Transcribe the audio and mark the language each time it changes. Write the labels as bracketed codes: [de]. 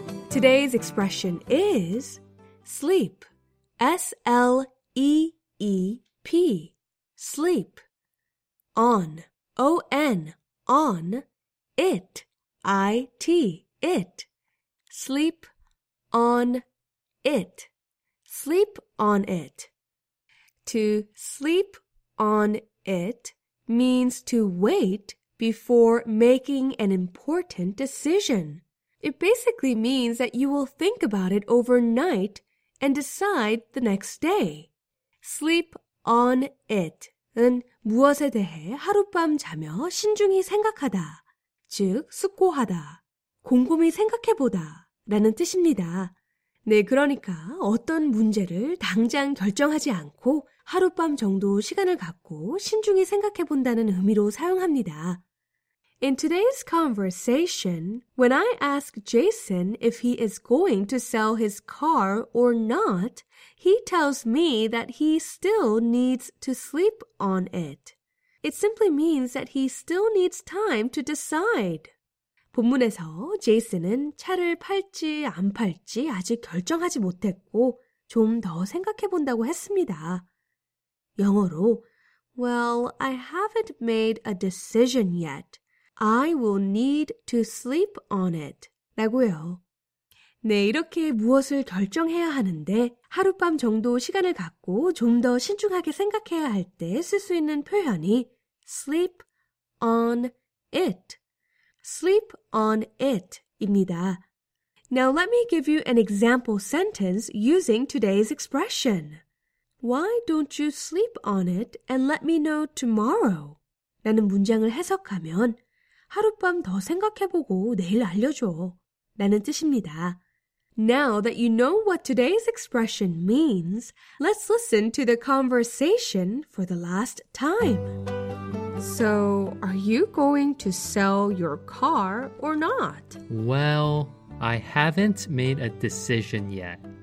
[en] Today's expression is sleep, S-L-E-E-P, sleep, on, O-N, on, it, I-T, it, sleep on it, sleep on it. To sleep on it means to wait before making an important decision. It basically means that you will think about it overnight and decide the next day. [ko] Sleep on it은 무엇에 대해 하룻밤 자며 신중히 생각하다, 즉 숙고하다, 곰곰이 생각해보다 라는 뜻입니다. 네, 그러니까 어떤 문제를 당장 결정하지 않고 하룻밤 정도 시간을 갖고 신중히 생각해본다는 의미로 사용합니다. [en] In today's conversation, when I ask Jason if he is going to sell his car or not, he tells me that he still needs to sleep on it. It simply means that he still needs time to decide. [ko] 본문에서 제이슨은 차를 팔지 안 팔지 아직 결정하지 못했고 좀 더 생각해 본다고 했습니다. 영어로 [en] Well, I haven't made a decision yet. I will need to sleep on it. [ko] 라고요. 네, 이렇게 무엇을 결정해야 하는데 하룻밤 정도 시간을 갖고 좀 더 신중하게 생각해야 할 때 쓸 수 있는 표현이 sleep on it. [en] Sleep on it 입니다. Now let me give you an example sentence using today's expression. Why don't you sleep on it and let me know tomorrow? [ko] 라는 문장을 해석하면 하룻밤 더 생각해보고 내일 알려줘 라는 뜻입니다. [en] Now that you know what today's expression means, let's listen to the conversation for the last time. So, are you going to sell your car or not? Well, I haven't made a decision yet.